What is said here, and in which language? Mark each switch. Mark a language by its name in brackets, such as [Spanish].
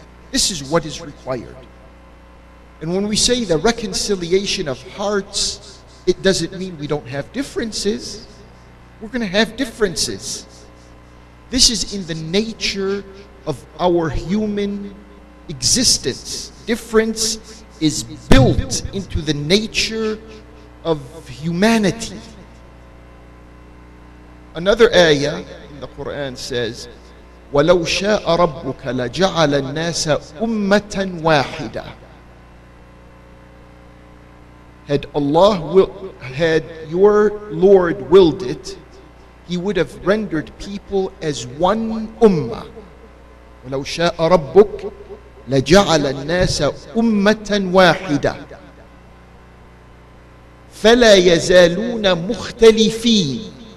[English] This is what is required. And when we say the reconciliation of hearts, it doesn't mean we don't have differences. We're going to have differences. This is in the nature of our human existence. Difference is built into the nature of humanity. Another ayah in the Quran says, [Arabic] وَلَوْ شَاءَ رَبُّكَ لَجَعَلَ النَّاسَ أُمَّةً وَاحِدًا. [English] Had Allah had your Lord willed it, He would have rendered people as one ummah. [Arabic] وَلَوْ شَاءَ رَبُّكَ لَجَعَلَ النَّاسَ أُمَّةً وَاحِدًا فَلَا يَزَالُونَ مُخْتَلِفِينَ.